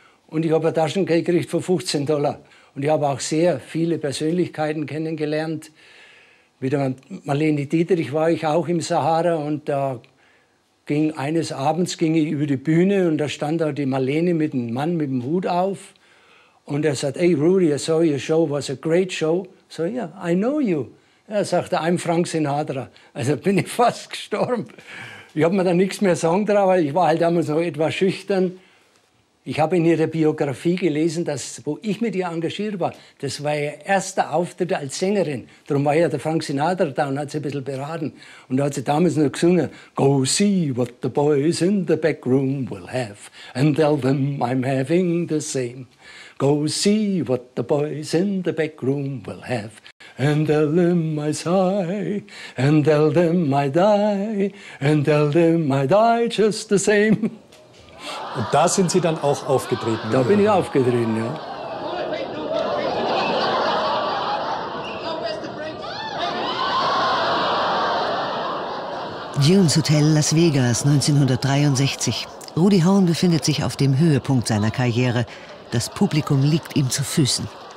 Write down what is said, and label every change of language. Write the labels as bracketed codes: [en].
[de] Und ich habe ein Taschengeld gekriegt von $15. Und ich habe auch sehr viele Persönlichkeiten kennengelernt. Mit der Marlene Dietrich war ich auch im Sahara. Und da ging eines Abends ging ich über die Bühne und da stand da die Marlene mit dem Mann mit dem Hut auf. Und er sagt, [en] hey Rudy, I saw your show, was a great show. So, yeah, I know you. [de] Er sagte, [en] I'm Frank Sinatra. [de] Also bin ich fast gestorben. Ich habe mir da nichts mehr sagen drauf, weil ich war halt damals noch etwas schüchtern. Ich habe in ihrer Biografie gelesen, dass, wo ich mit ihr engagiert war, das war ihr erster Auftritt als Sängerin. Darum war ja der Frank Sinatra da und hat sie ein bisschen beraten. Und da hat sie damals noch gesungen, [en] go see what the boys in the back room will have and tell them I'm having the same. Go see what the boys in the back room will have and tell them I sigh and tell them I die and tell them I die just the same. [de] Und da sind Sie dann auch aufgetreten? Da bin ich aufgetreten, ja. Dunes Hotel Las Vegas, 1963. Rudy Horn befindet sich auf dem Höhepunkt seiner Karriere. Das Publikum liegt ihm zu Füßen.